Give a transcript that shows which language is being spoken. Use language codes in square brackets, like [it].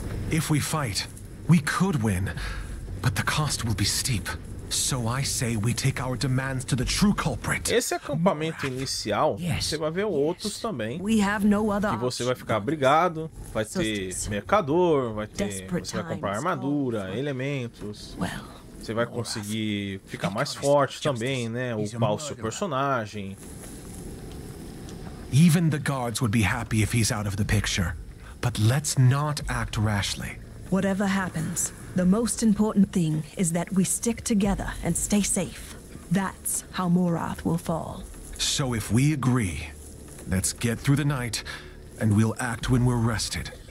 [en] If we fight, we could win, but the cost will be steep. So I say we take our demands to the true culprit. [pt] Esse acampamento inicial, você vai ver outros também. [en] We have no other. [pt] E você vai ficar brigado, vai ter mercador, vai ter, você vai comprar armadura, elementos. Você vai conseguir ficar mais forte também, né? Upar o seu personagem. [en] Even the guards would be happy if he's out of the picture. But let's not act rashly. Whatever happens, the most important thing is that we stick together and stay safe. That's how Morath will fall. So if we agree, let's get through the night and we'll act when we're rested.